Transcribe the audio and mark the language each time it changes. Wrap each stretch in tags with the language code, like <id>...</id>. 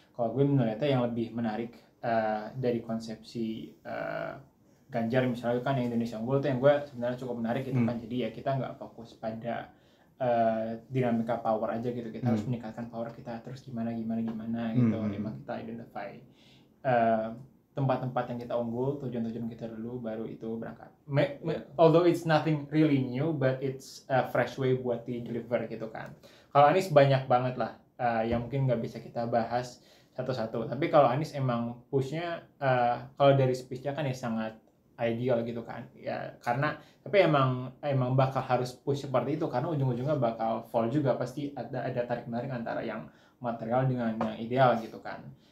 <id>kalau gue melihatnya yang lebih menarik dari konsepsi Ganjar misalnya kan yang Indonesia Unggul itu yang gue sebenarnya cukup menarik itu kan. Jadi ya kita nggak fokus pada dinamika power aja gitu, kita harus meningkatkan power kita terus gimana gitu. Emang kita identify tempat-tempat yang kita unggul, tujuan-tujuan kita dulu baru itu berangkat.</id> <en>Although it's nothing really new, but it's a fresh way</en> <id>buat di deliver gitu kan. Kalau Anies banyak banget lah yang mungkin nggak bisa kita bahas satu-satu. Tapi kalau Anies emang pushnya, kalau dari speech-nya kan ya sangat ideal gitu kan. Ya karena tapi emang bakal harus push seperti itu karena ujung-ujungnya bakal fall juga pasti ada tarik menarik antara yang material dengan yang ideal gitu kan.</id>